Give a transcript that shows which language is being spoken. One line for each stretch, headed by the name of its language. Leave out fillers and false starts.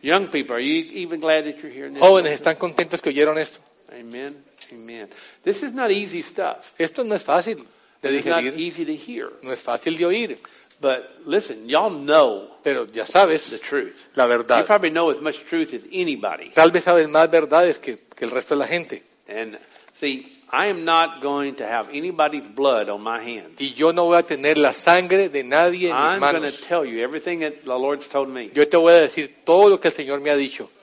English: Young people, are you even glad that you're hearing this?
Spanish: Jóvenes, ¿están contentos que oyeron esto?
English: Amen. Amen. This is not easy stuff.
Spanish: Esto no es fácil de digerir.
English: It's not easy to hear.
Spanish: No es fácil de oír.
English: But listen, y'all know.
Spanish: Pero ya sabes,
English: the truth.
Spanish: La verdad.
English: You probably know as much truth as anybody.
Spanish: Tal vez sabes más verdades que el resto de la gente.
English: And see, I am not going to have anybody's blood on my hands.
Spanish: Y yo no voy a tener la sangre de nadie en
English: I'm
Spanish: mis manos.
English: I'm going to tell you everything that the Lord's told me.
Spanish: Yo te voy a decir todo lo que el Señor me ha dicho.